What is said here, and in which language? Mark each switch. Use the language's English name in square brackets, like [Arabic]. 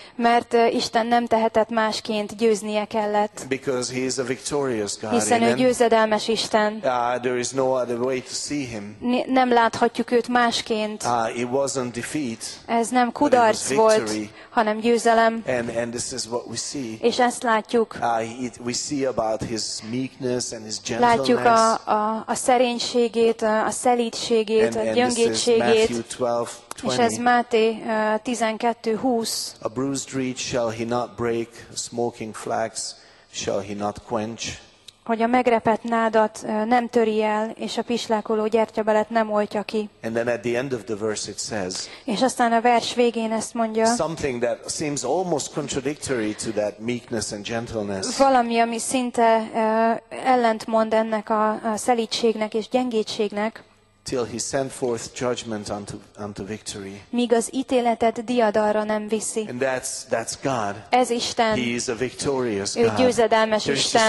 [Hungarian] Mert Isten nem tehetett másként, győznie kellett. [English] Because he is a victorious God. [Hungarian] Hiszen ő győzedelmes Isten. [English] There is no other way to see him. [Hungarian] Nem láthatjuk őt másként. [English] It wasn't defeat. [Hungarian] Ez nem kudarc volt, hanem győzelem. [English] And this is what we see. [Hungarian] És ezt látjuk. [English] We see about his meekness and his gentleness. [Hungarian] Látjuk a szerénységét, a szelídségét, a gyöngétségét. És ez Máté 12:20. [English] A bruised reed shall he not break, smoking flax shall he not quench. [Hungarian] Hogy a megrepett nádat nem töri el, és a pislákoló gyertyabelet nem oltja ki. [English] And then at the end of the verse it says. [Hungarian] És aztán a vers végén ezt mondja. [English] Something that seems almost contradictory to that meekness and gentleness. [Hungarian] Valami, ami szinte ellentmond ennek a szelídségnek és gyengétségnek. [English] Till he sent forth judgment unto victory. [Hungarian] Míg az ítéletet diadalra nem viszi. [English] And that's God. [Hungarian] Ez Isten. [English] He is a victorious [Hungarian] God. Ő győzedelmes Isten.